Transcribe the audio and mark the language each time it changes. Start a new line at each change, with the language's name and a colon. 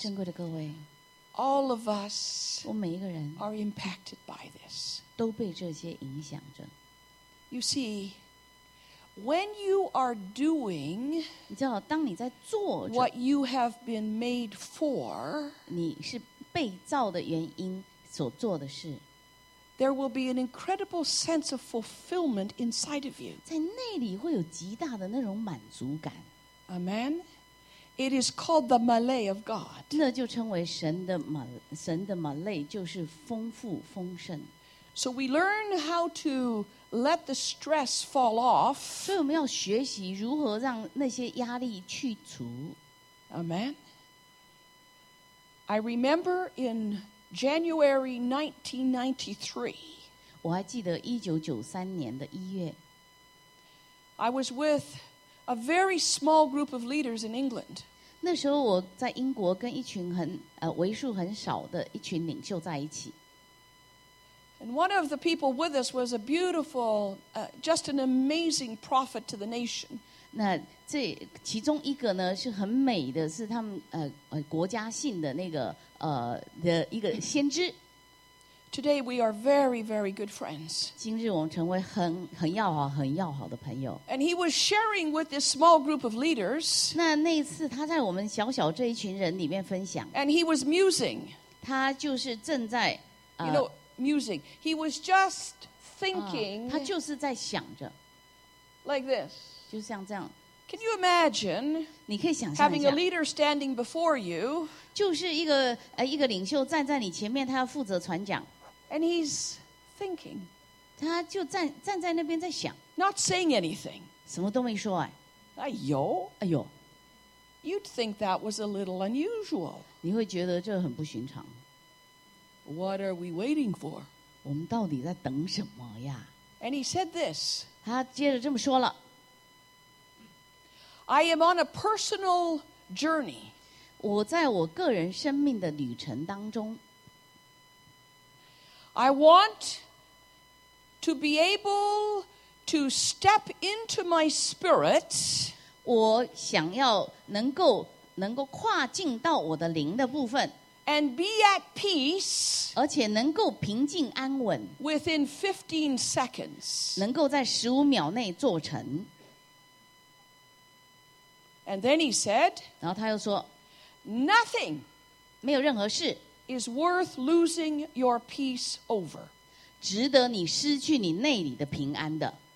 Chinese: 珍贵的各位。
English: All of us.
Chinese: 我每一个人。
English: Are impacted by this.
Chinese: 都被这些影响着。
English: You see, when you are doing,
Chinese: 你知道，当你在做着
English: what you have been made for,
Chinese: 你是被造的原因所做的事。
English: There will be an incredible sense of fulfillment inside of you.
Chinese: 在那里会有极大的那种满足感。
English: Amen. It is called the male of God.
Chinese: 那就称为神的male，就是丰富丰盛。
English: So we learn how to let the stress fall off.
Chinese: 所以我们要学习如何让那些压力去除。
English: Amen. I remember in January 1993.
Chinese: 我还记得1993年的一月。
English: I was with a very small group of leaders in England.
Chinese: 那时候我在英国跟一群为数很少的一群领袖在一起。
English: And one of the people with us was a beautiful, just an amazing prophet to the nation.
Chinese: 那这其中一个呢是很美的，是他们国家性的那个的一个先知。
English: Today we are very, very good friends.
Chinese: 今日我们成为很要好、很要好的朋友。
English: And he was sharing with this small group of leaders.
Chinese: 那次他在我们小小这一群人里面分享。
English: And he was musing.
Chinese: 他就是正在
English: Musing. He was just thinking.
Chinese: 他就是在想着
English: Like this.
Chinese: 就像这样
English: Can you imagine?
Chinese: 你可以想象一
English: 下 Having a leader standing before you.
Chinese: 就是一个领袖站在你前面，他要负责传讲
English: And he's thinking.
Chinese: 他就站在那边在想
English: Not saying anything.
Chinese: 什么都没说哎。哎呦。
English: You'd think that was a little unusual.
Chinese: 你会觉得这很不寻常。
English: What are we waiting for?
Chinese: 我们到底在等什么呀
English: And he said this.
Chinese: 他接着这么说了
English: I am on a personal journey.
Chinese: 我在我个人生命的旅程当中
English: I want to be able to step into my spirit.
Chinese: 我想要能够跨进到我的灵的部分
English: And be at peace,
Chinese: 而且能够平静安稳
English: within 15 seconds,
Chinese: 能够在十五秒内做成。
English: And then he said,
Chinese: 然后他又说
English: nothing,
Chinese: 没有任何事
English: is worth losing your peace over,
Chinese: 值得你失去你内里的平安的。